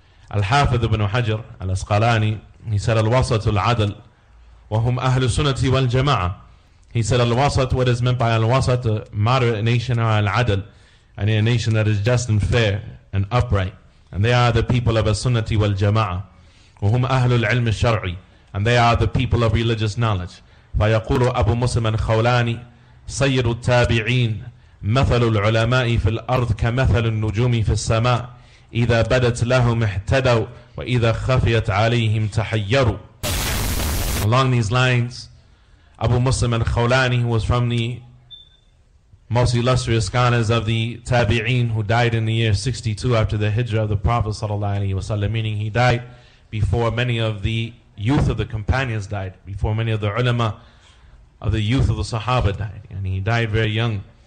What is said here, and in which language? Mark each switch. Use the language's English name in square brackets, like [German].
[Arabic] Al-Hafidh ibn Hajar al-Asqalani, [English] he said, [Arabic] الْوَسَطُ الْعَدَلِ وَهُمْ أَهْلُ السُنَّةِ وَالْجَمَعَةِ. [English] He said, Al-Wasat, what is meant by Al-Wasat? A moderate nation, or Al-Adl, and a nation that is just and fair and upright. And they are the people of As-Sunnati wal-Jama'ah, [Arabic] وهم أهل العلم الشرعي. [English] And they are the people of religious knowledge. [Arabic] فيقول أبو مسلم الخولاني سيد التابعين مثل العلماء في الأرض كمثل النجوم في السماء إذا بدت لهم احتدوا وإذا خفيت عليهم تحيروا. [English] Along these lines, Abu Muslim al-Khawlani, who was from the most illustrious scholars of the Tabi'een, who died in the year 62 after the Hijrah of the Prophet sallallahu alaihi wasallam, meaning he died before many of the youth of the companions died, before many of the ulama of the youth of the Sahaba died, and he died very young.